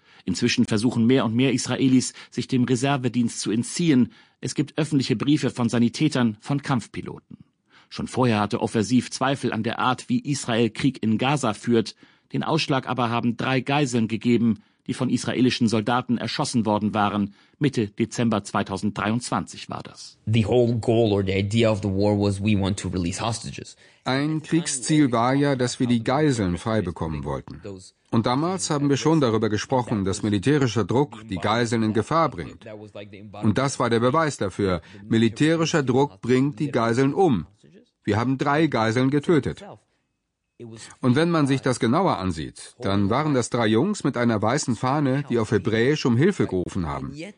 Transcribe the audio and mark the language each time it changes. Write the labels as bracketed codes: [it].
[de] Inzwischen versuchen mehr und mehr Israelis, sich dem Reservedienst zu entziehen. Es gibt öffentliche Briefe von Sanitätern, von Kampfpiloten. Schon vorher hatte Ofasiv Zweifel an der Art, wie Israel Krieg in Gaza führt. Den Ausschlag aber haben drei Geiseln gegeben, die von israelischen Soldaten erschossen worden waren. Mitte Dezember 2023 war das. [en] The whole goal or the idea of the war was we want to release hostages. [de] Ein Kriegsziel war ja, dass wir die Geiseln frei bekommen wollten. Und damals haben wir schon darüber gesprochen, dass militärischer Druck die Geiseln in Gefahr bringt. Und das war der Beweis dafür. Militärischer Druck bringt die Geiseln um. Wir haben drei Geiseln getötet. Und wenn man sich das genauer ansieht, dann waren das drei Jungs mit einer weißen Fahne, die auf Hebräisch um Hilfe gerufen haben.